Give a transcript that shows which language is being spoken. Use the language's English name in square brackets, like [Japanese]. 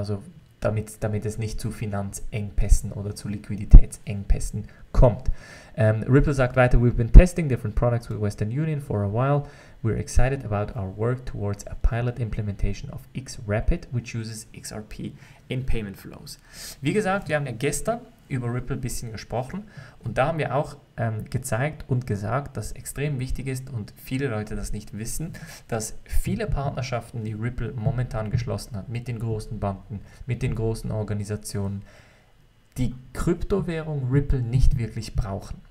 [German] Also damit es nicht zu Finanzengpässen oder zu Liquiditätsengpässen kommt. Ripple sagt weiter, [English] we've been testing different products with Western Union for a while. We're excited about our work towards a pilot implementation of XRapid, which uses XRP in payment flows. [German] Wie gesagt, wir haben ja gestern über Ripple ein bisschen gesprochen und da haben wir auch gezeigt und gesagt, dass extrem wichtig ist und viele Leute das nicht wissen, dass viele Partnerschaften, die Ripple momentan geschlossen hat mit den großen Banken, mit den großen Organisationen, die Kryptowährung Ripple nicht wirklich brauchen.